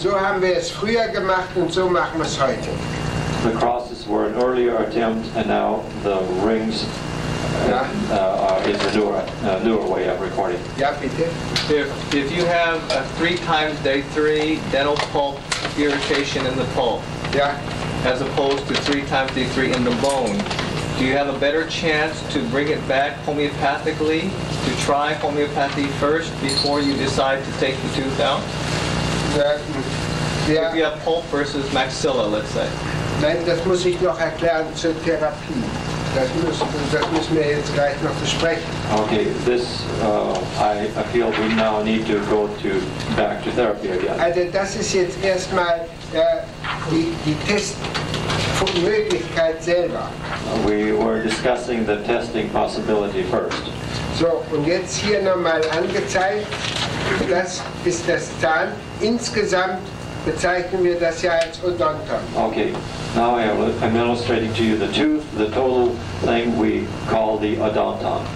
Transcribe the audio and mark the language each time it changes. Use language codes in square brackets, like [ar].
[de] So haben wir es früher gemacht und so machen wir es heute. [en] The crosses were an earlier attempt and now the rings. Is a newer way of recording. [de] Yeah, bitte. [en] If you have a 3 times day 3 dental pulp irritation in the pulp, yeah, as opposed to 3 times day 3 in the bone, do you have a better chance to bring it back homeopathically, to try homeopathy first before you decide to take the tooth out? Yeah. If you have pulp versus maxilla, let's say. [de] Nein, das muss ich noch erklären zur Therapie. Das müssen wir jetzt gleich noch besprechen. [en] Okay, this I feel we now need to go to back to therapy again. [de] Also das ist jetzt erstmal die Testmöglichkeit selber. [en] We were discussing the testing possibility first. [de] So, und jetzt hier nochmal angezeigt, das ist das Zahn. Insgesamt bezeichnen wir das ja als Odontum. [en] Okay. Now I'm illustrating to you the tooth, the total thing we call the odontum.